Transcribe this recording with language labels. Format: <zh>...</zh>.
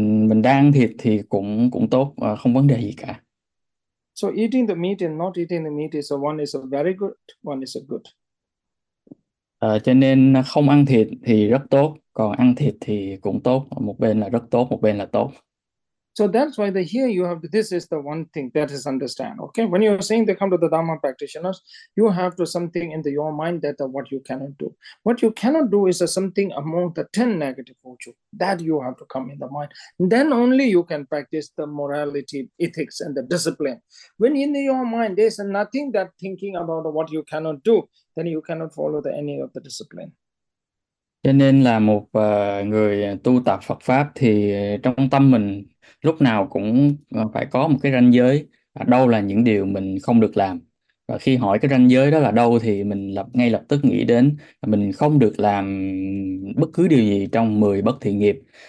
<vi>Mình đang ăn thịt thì cũng cũng tốt, không vấn đề gì cả.</vi> <en>So eating the meat and not eating the meat is a one is a very good, one is a good.</en> <vi>Cho nên không ăn thịt thì rất tốt, còn ăn thịt thì cũng tốt, một bên là rất tốt, một bên là tốt.</vi> <en>So that's why the here you have this is the one thing that is understand. Okay, when you're saying they come to the Dharma practitioners, you have to something in the, your mind that what you cannot do. What you cannot do is something among the 10 negative virtue that you have to come in the mind. And then only you can practice the morality, ethics, and the discipline. When in your mind there's nothing that thinking about what you cannot do, then you cannot follow the any of the discipline.</en> <vi>Cho nên là một người tu tập Phật pháp thì trong tâm mình lúc nào cũng phải có một cái ranh giới, đâu là những điều mình không được làm. Và khi hỏi cái ranh giới đó là đâu thì mình ngay lập tức nghĩ đến mình không được làm bất cứ điều gì trong 10 bất thiện nghiệp.</vi>